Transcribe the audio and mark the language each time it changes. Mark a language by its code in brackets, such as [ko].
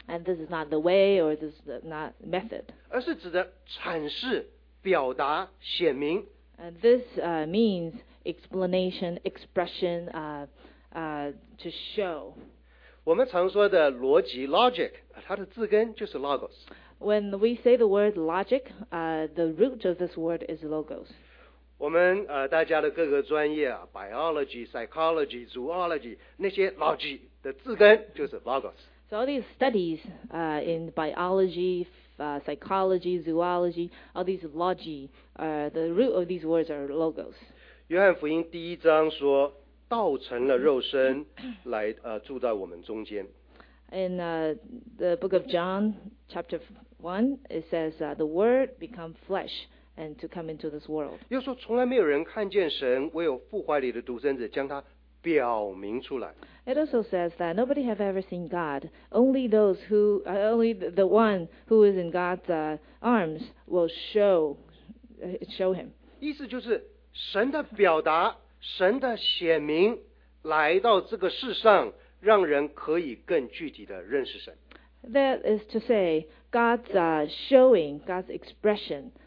[en] And this is not the way or this is not method. [zh] 而是指的阐释、表达、显明。 [en] And this means explanation, expression, to show. [zh] 我们常说的逻辑 logic, 它的字根就是 logos. [en] When we say the word logic, the root of this word is logos. [zh] 我们大家的各个专业啊 ， [en] biology、psychology、zoology [zh] 那些 logic 的字根就是 logos。 [en] So all these studies, in biology, psychology, zoology, all these logic, the root of these words are logos. [zh] 约翰福音第一章说，道成了肉身来住在我们中间。 [en] In the book of John, chapter 1, it says the word become flesh. And to come into this world. [zh] 又说从来没有人看见神，唯有父怀里的独生子将他表明出来。 [en] It also says that nobody have ever seen God. Only those who, only the one who is in God's arms will show him. [zh] 意思就是神的表达，神的显明来到这个世上，让人可以更具体的认识神。 [en] That is to say, God's showing, God's expression.